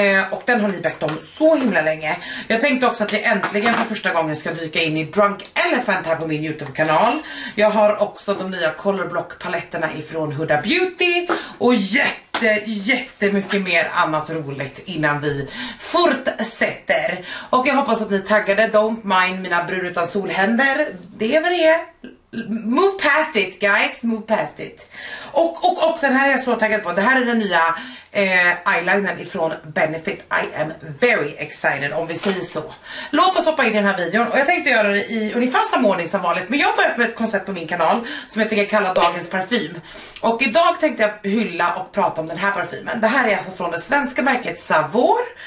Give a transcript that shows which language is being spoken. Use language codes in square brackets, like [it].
[sv] Och den har ni bett om så himla länge. Jag tänkte också att jag äntligen för första gången ska dyka in i Drunk Elephant här på min YouTube-kanal. Jag har också de nya Colorblock-paletterna ifrån Huda Beauty. Och jättemycket mer annat roligt innan vi fortsätter. Och jag hoppas att ni taggade. [en] Don't mind [sv] mina brun utan solhänder. Det är vad det är. [en] Move past it guys, move past it. [sv] Och den här är jag så taggad på. Det här är den nya eyelinern ifrån Benefit. [en] I am very excited [sv] om vi säger så. Låt oss hoppa in i den här videon. Och jag tänkte göra det i ungefär samma ordning som vanligt. Men jag har börjat med ett koncept på min kanal som jag tänker kalla dagens parfym. Och idag tänkte jag hylla och prata om den här parfymen. Det här är alltså från det svenska märket Savour.